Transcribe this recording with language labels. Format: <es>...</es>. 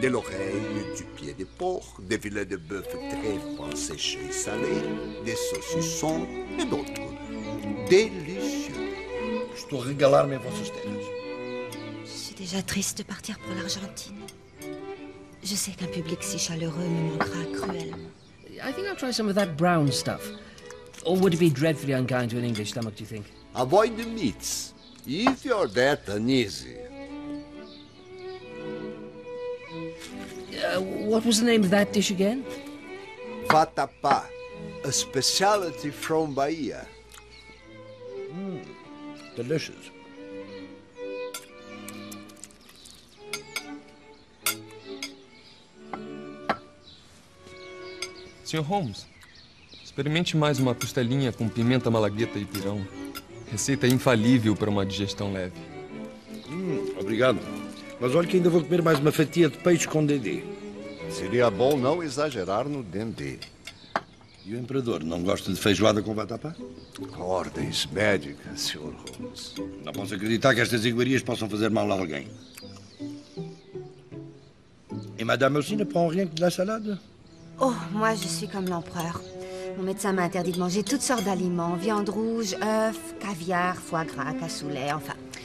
<fr>De l'oreille, du pied de porc, des filets de bœuf très fins, séchés et salés, des saucissons et d'autres. Délicieux. Je dois régaler mes vossas terres. C'est déjà triste de partir pour l'Argentine. Je sais qu'un public si chaleureux me manquera cruellement.</fr> <en>I think I'll try some of that brown stuff. Or would it be dreadfully unkind to an English stomach, do you think? Avoid the meats, if you're that uneasy. What was the name of that dish again? Vatapá, a specialty from Bahia. Delicious.</en> <pt>Sr. Holmes. Experimente mais uma costelinha com pimenta malagueta e pirão. Receita infalível para uma digestão leve. Obrigado. Mas olha que ainda vou comer mais uma fatia de peixe com dendê. Seria bom não exagerar no dendê. E o imperador não gosta de feijoada com vatapá? Ordens médicas, Sr. Holmes. Não posso acreditar que estas iguarias possam fazer mal a alguém.</pt> <fr>E madame aussi ne prend rien que de la salade? Oh, moi je suis comme l'empereur. Mon médecin m'a interdit de manger toutes sortes d'aliments. Viande rouge, œufs, caviar, foie gras, cassoulet, enfin.</fr>